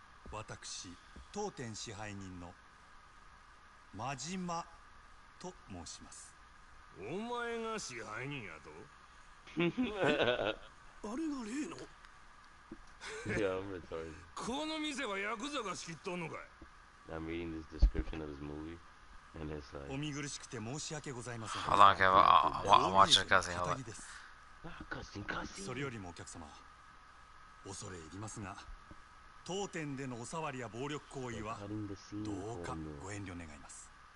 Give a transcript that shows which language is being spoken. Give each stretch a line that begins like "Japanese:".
Japanese: 私、当店支配人の真島と申します。お前が支配人やと？あれが例の？いや、めっちゃ。この店はヤクザが仕切っとんのかい？
English: I'm reading this description of his movie, and it's like.
Japanese: お見苦しくて申し訳ございません。
English: Hold on, okay, I'm watching the cutscene. Hold on. Ah, cutscene, cutscene.
Japanese: それよりもお客様、恐れ入りますが、当店でのお触りや暴力行為はどうかご遠慮願います。